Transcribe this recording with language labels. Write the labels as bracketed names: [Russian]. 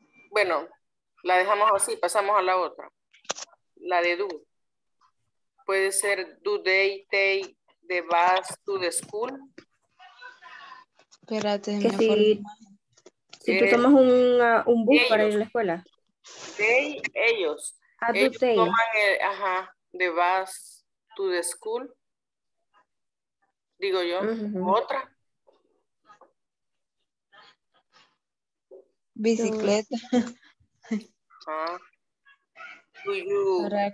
[Spanish] Bueno, la dejamos así, pasamos a la otra. La de do. Puede ser [English] do they take the bus to the school. [Spanish] Espérate. Que si tú tomas un bus ellos, para ir a la escuela. [English] They, [Spanish] ellos. [English] A do [Spanish] ellos [English] they. [Spanish] Toman el, ajá. [English] The bus to the school, [Spanish] digo yo, [English] uh-huh. [Spanish] Otra. Bicicleta. Para